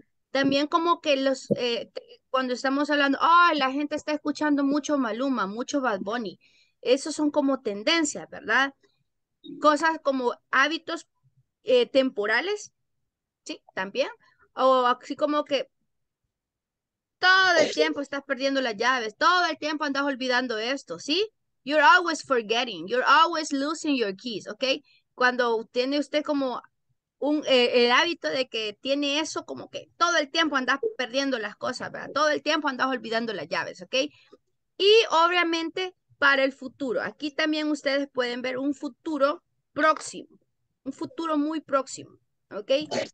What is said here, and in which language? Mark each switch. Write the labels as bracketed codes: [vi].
[es] También como que los cuando estamos hablando, la gente está escuchando mucho Maluma, mucho Bad Bunny. Esos son como tendencias, ¿verdad? Cosas como hábitos temporales, ¿sí? También. O así como que todo el tiempo estás perdiendo las llaves, todo el tiempo andas olvidando esto, ¿sí? [en] You're always forgetting, you're always losing your keys, ¿ok? [es] Cuando tiene usted como... el hábito de que tiene eso como que todo el tiempo andas perdiendo las cosas, ¿verdad? Todo el tiempo andas olvidando las llaves, ¿ok? Y obviamente para el futuro. Aquí también ustedes pueden ver un futuro próximo, un futuro muy próximo, ¿ok?